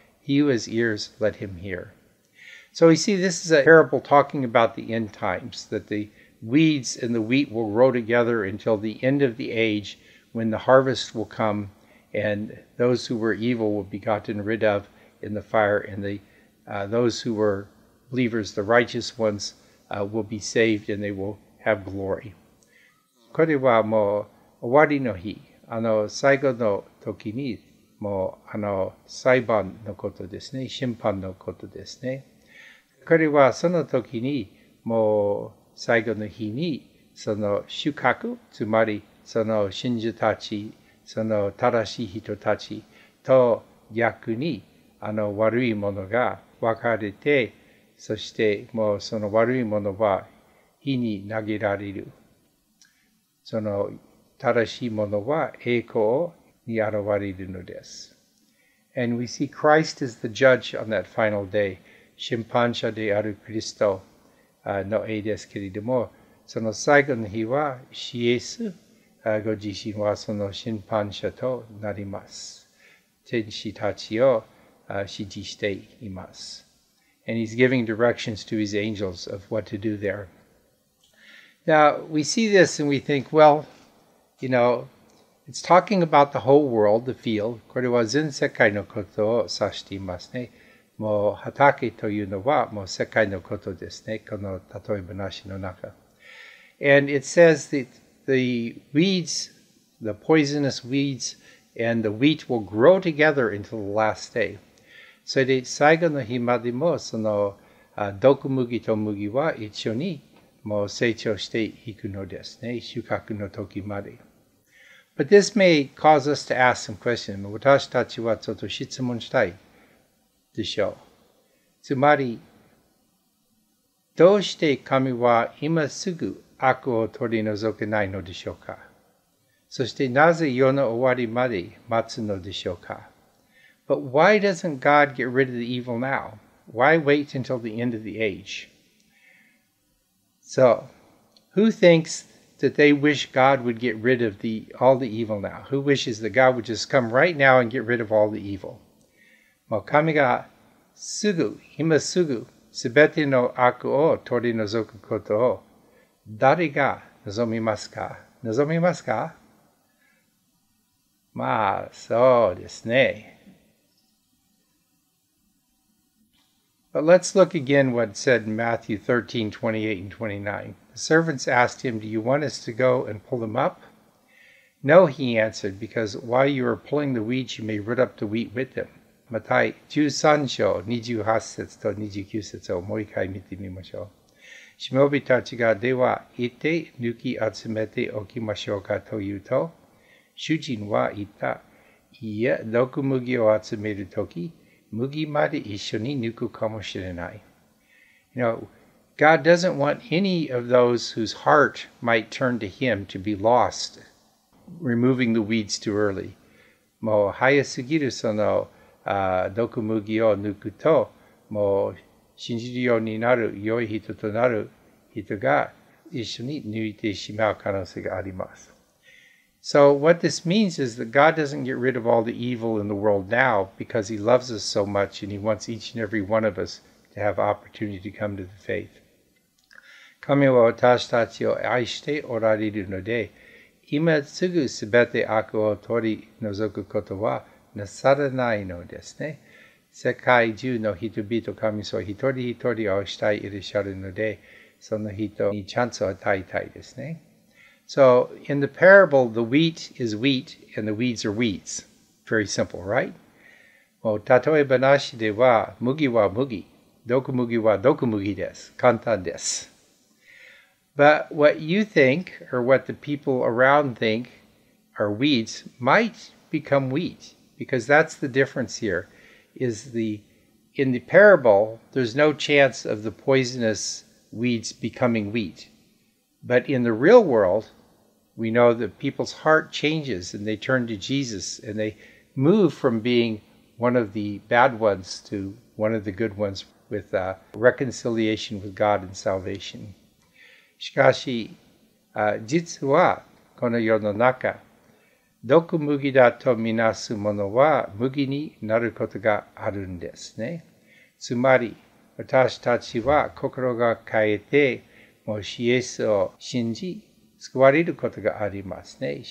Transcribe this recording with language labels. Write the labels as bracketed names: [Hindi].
[English] He who has ears, let him hear. So we see this is a parable talking about the end times, that the weeds and the wheat will grow together until the end of the age, when the harvest will come, and those who were evil will be gotten rid of in the fire, and those who were believers, the righteous ones, will be saved and they will have glory. [Japanese] これはもう終わりの日、最後の時に、もう裁判のことですね、審判のことですね。これはその時に、もう最後の日に、その収穫、つまりその信者たち、その正しい人たちと逆に悪いものが分かれて、そしてもうその悪いものは火に投げられる。その正しいものは栄光に現れるのです。 [English] And we see Christ is the judge on that final day, [Japanese] 審判者であるクリストの絵ですけれども、その最後の日はシエス、ご自身はその審判者となります。天使たちを指示しています。 [English] And he's giving directions to his angels of what to do there. Now, we see this and we think, well, you know, it's talking about the whole world, the field. [Japanese] これは全世界のことを指していますね。もう畑というのはもう世界のことですね。この例え話の中。 [English] And it says that the weeds, the poisonous weeds, and the wheat will grow together until the last day. [Japanese] それで最後の日までもその毒麦と麦は一緒にもう成長していくのですね、収穫の時まで。 [English] But this may cause us to ask some questions. [Japanese] 私たちはちょっと質問したいでしょう。つまり、どうして神は今すぐ悪を取り除けないのでしょうか？そしてなぜ世の終わりまで待つのでしょうか？ [English] But why doesn't God get rid of the evil now? Why wait until the end of the age? So, who thinks that they wish God would get rid of all the evil now? Who wishes that God would just come right now and get rid of all the evil? [Japanese] もう神がすぐ、今すぐ、すべての悪を取り除くことを誰が望みますか？望みますか？まあ、そうですね。 [English] But let's look again what it said in Matthew 13, 28 and 29. The servants asked him, Do you want us to go and pull them up? No, he answered, because while you are pulling the weeds, you may root up the wheat with them. [Japanese] Matthew 13, 28 to 29 節をもう一回見てみましょう。しもべたちが、では行って抜き集めておきましょうかというと、主人は言った、いや、毒麦を集めるとき、麦まで一緒に抜くかもしれない。 [English] You know, God doesn't want any of those whose heart might turn to Him to be lost, removing the weeds too early. [Japanese] もう早すぎるその毒麦を抜くと、もう信じるようになる良い人となる人が一緒に抜いてしまう可能性があります。 [English] So what this means is that God doesn't get rid of all the evil in the world now because he loves us so much and he wants each and every one of us to have opportunity to come to the faith. [Japanese] 神は私たちを愛しておられるので、今すぐすべて悪を取り除くことはなさらないのですね。世界中の人々、神様は一人一人を愛していらっしゃるので、その人にチャンスを与えたいですね。 [English] So, in the parable, the wheat is wheat, and the weeds are weeds. Very simple, right? [Japanese] もう、たとえ話では、麦は麦、毒麦は毒麦です。簡単です。 [English] But what you think, or what the people around think, are weeds, might become wheat. Because that's the difference here, is in the parable, there's no chance of the poisonous weeds becoming wheat. But in the real world, we know that people's heart changes and they turn to Jesus and they move from being one of the bad ones to one of the good ones with reconciliation with God and salvation. [Japanese] しかし、実はこの世の中、毒麦だとみなすものは麦になることがあるんですね。つまり、私たちは心が変えて、もうイエスを信じ、救われることがありますね。